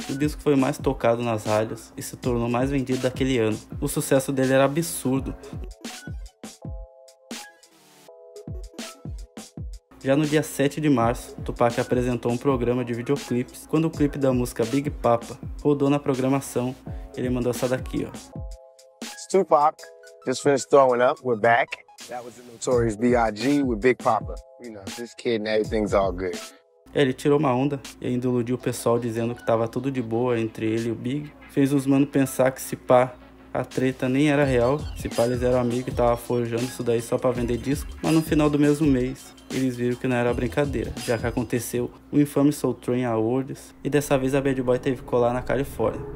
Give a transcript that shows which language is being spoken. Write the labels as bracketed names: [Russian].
[Portuguese] O disco foi mais tocado nas rádios e se tornou mais vendido daquele ano. O sucesso dele era absurdo. Já no dia 7 de março, Tupac apresentou um programa de videoclipes. Quando o clipe da música Big Papa rodou na programação, ele mandou essa daqui, ó. [English] It's Tupac, just finished throwing up, we're back. That was the Notorious B.I.G. with Big Papa. You know, this kid and everything's all good. [Portuguese] Ele tirou uma onda e ainda iludiu o pessoal dizendo que tava tudo de boa entre ele e o Big. Fez os manos pensar que se pá, a treta nem era real. Se pá, eles eram amigos e tava forjando isso daí só pra vender disco. Mas no final do mesmo mês, eles viram que não era brincadeira, já que aconteceu o infame Soul Train Awards e dessa vez a Bad Boy teve que colar na Califórnia.